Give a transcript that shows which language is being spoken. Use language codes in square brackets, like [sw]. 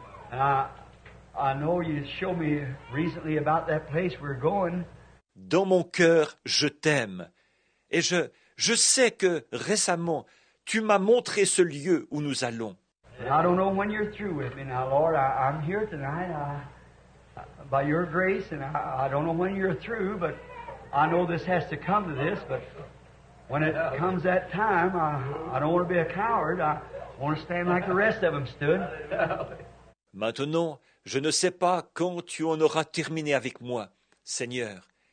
[en] And I know you showed me recently about that place we're going. [fr] Dans mon cœur, je t'aime. Et je sais que récemment, tu m'as montré ce lieu où nous allons. [en] I don't know when you're through with me now, Lord. I'm here tonight by your grace. And I don't know when you're through, but I know this has to come to this. But when it comes that time, I don't want to be a coward. I want to stand like the rest of them stood. [fr] Maintenant, je ne sais pas quand tu en auras terminé avec moi, Seigneur.